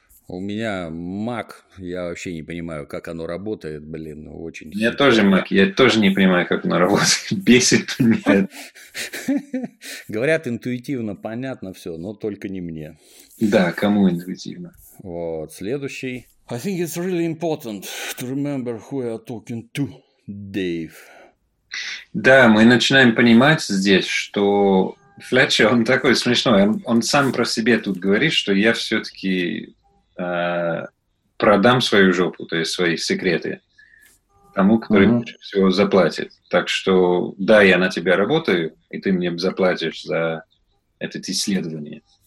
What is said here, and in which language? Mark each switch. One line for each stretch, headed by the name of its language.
Russian: У меня Mac, я вообще не понимаю, как оно работает, блин, очень... У меня тоже Mac, я тоже не понимаю, как оно работает, бесит меня. Говорят, интуитивно понятно все, но только не мне. Да, кому интуитивно? Вот, следующий.
English: I think it's really important to remember who you're talking to, Dave.
Russian: Да, мы начинаем понимать здесь, что Флетчер, он такой смешной, он сам про себе тут говорит, что я все-таки... продам свою жопу, то есть свои секреты тому, который всего заплатит. Так что, да, я на тебя работаю, и ты мне заплатишь за это исследование.